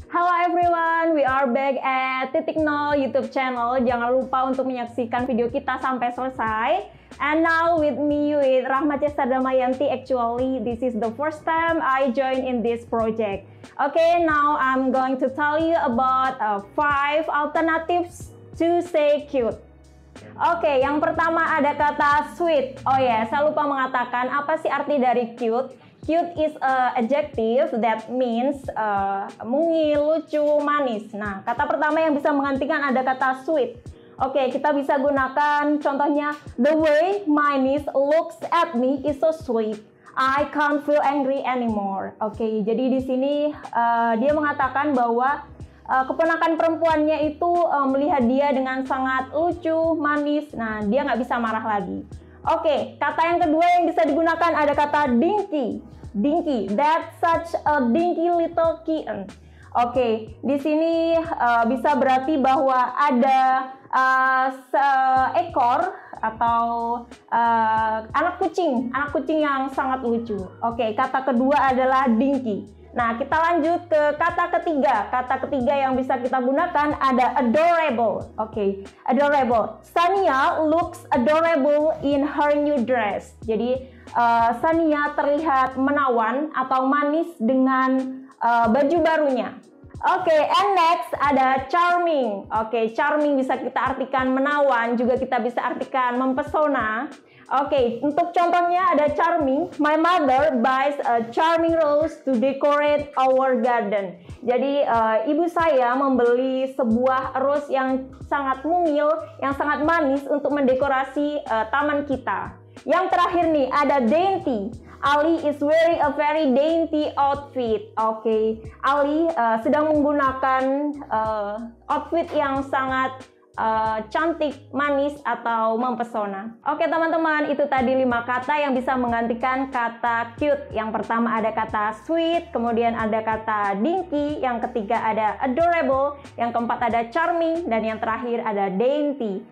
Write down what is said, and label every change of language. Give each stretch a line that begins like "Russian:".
English: Halo everyone, we are back at Titik Nol YouTube channel.
Indonesian: Jangan lupa untuk menyaksikan video kita sampai selesai.
English: And now with me with Rahmat Chesterda Mayanti. Actually, this is the first time I join in this project. Okay, now I'm going to tell you about 5 alternatives to say cute.
Indonesian: Okay, yang pertama ada kata sweet. Oh yeah, saya lupa mengatakan apa sih arti dari cute.
English: Cute is a adjective that means
Indonesian: mungil, lucu, manis. Nah, kata pertama yang bisa menggantikan ada kata sweet. Oke, kita bisa gunakan contohnya,
English: the way my niece looks at me is so sweet. I can't feel angry anymore.
Indonesian: Oke, jadi di sini dia mengatakan bahwa keponakan perempuannya itu melihat dia dengan sangat lucu, manis. Nah, dia nggak bisa marah lagi. Oke, kata yang kedua yang bisa digunakan ada kata dinky.
English: Dinky, that's such a dinky little kitten.
Indonesian: Oke, di sini bisa berarti bahwa ada seekor atau anak kucing yang sangat lucu. Oke, kata kedua adalah dinky. Nah, kita lanjut ke kata ketiga. Kata ketiga yang bisa kita gunakan ada adorable. Oke, adorable.
English: Sania looks adorable in her new dress.
Indonesian: Jadi, Sania terlihat menawan atau manis dengan baju barunya. Oke, and next ada charming. Oke, charming bisa kita artikan menawan, juga kita bisa artikan mempesona. Oke, untuk contohnya ada charming.
English: My mother buys a charming rose to decorate our garden.
Indonesian: Jadi, ibu saya membeli sebuah rose yang sangat mungil, yang sangat manis untuk mendekorasi taman kita. Yang terakhir nih, ada dainty.
English: Ali is wearing a very dainty outfit.
Indonesian: Oke, Ali sedang menggunakan outfit yang sangat cantik, manis, atau mempesona. Oke, teman-teman, itu tadi 5 kata yang bisa menggantikan kata cute. Yang pertama ada kata sweet, kemudian ada kata dinky, yang ketiga ada adorable, yang keempat ada charming, dan yang terakhir ada dainty.